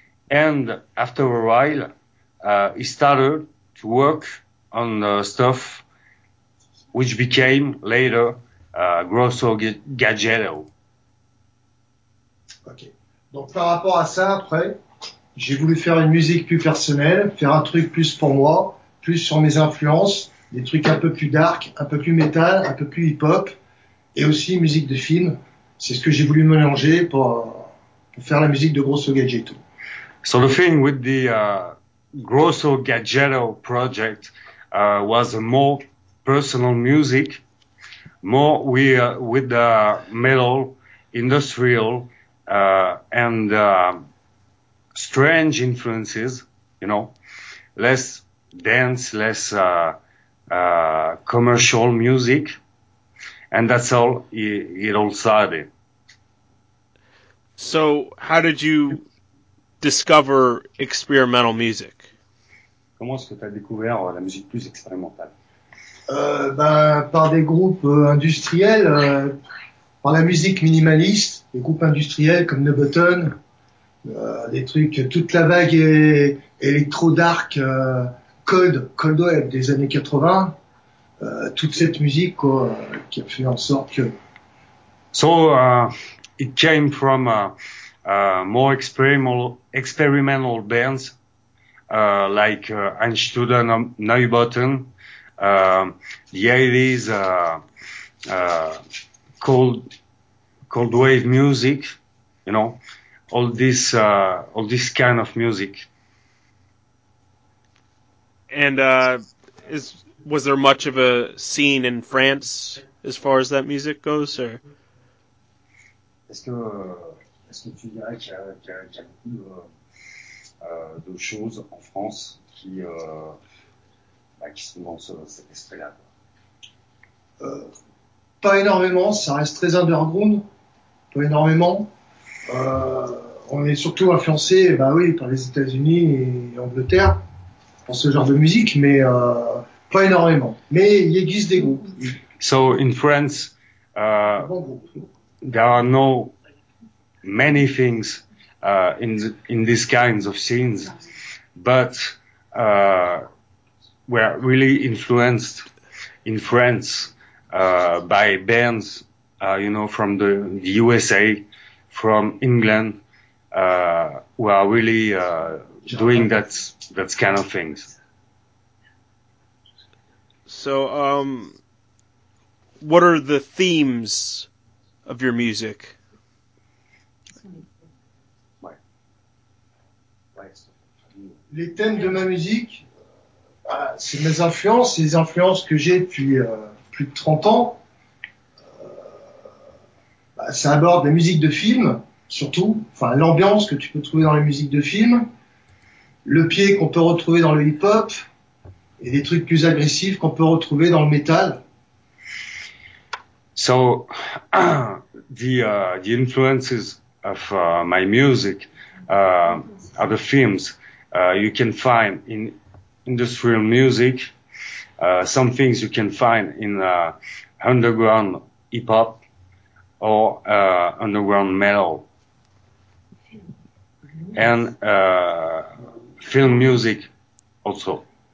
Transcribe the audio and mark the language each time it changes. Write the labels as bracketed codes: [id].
[en] And after a while, he started to work on stuff which became later Grosso Gaggetto. [fr] Okay. Donc par rapport à ça, après, J'ai voulu faire une musique plus personnelle, faire un truc plus pour moi, plus sur mes influences, des trucs un peu plus dark, un peu plus métal, un peu plus hip-hop, et aussi musique de film. C'est ce que j'ai voulu mélanger pour faire la musique de Grosso Gadgetto. [en] So the thing with the Grosso Gadgetto project was a more personal music, more with the metal, industrial, and strange influences, you know, less dance, less commercial music, and that's all it all started. So how did you discover experimental music? [fr] Comment est-ce que tu as découvert la musique plus expérimentale? Par des groupes industriels, par la musique minimaliste, des groupes industriels comme Nobutton, des trucs, toute la vague est électro-dark, Cold Wave des années 80, toute cette musique quoi, qui a fait en sorte que... [en] So, it came from more experimental bands, like Einstuder, Neubotten, the 80s, cold wave music, you know, all this kind of music. And was there much of a scene in France as far as that music goes, or? [fr] Est-ce que tu dirais qu'il y a beaucoup de choses en France qui sont dans cet esprit-là? Pas énormément, ça reste très underground, pas énormément. On est surtout influencé, par les États-Unis et l'Angleterre pour ce genre de musique, mais pas énormément. Mais il existe des groupes. [en] So in France, [fr] bon groupe. [en] There are no many things in these kinds of scenes, but we're really influenced in France by bands, you know, from the USA, from England, who are really doing that kind of things. So, what are the themes of your music? [fr] Les thèmes de ma musique, c'est mes influences, les influences que j'ai depuis plus de 30 ans. Ça aborde la musique de film, surtout, enfin l'ambiance que tu peux trouver dans la musique de film, le pied qu'on peut retrouver dans le hip-hop, et des trucs plus agressifs qu'on peut retrouver dans le métal. [en] So, the influences of my music are the films. You can find in industrial music some things you can find in underground hip hop or underground metal, and film music also.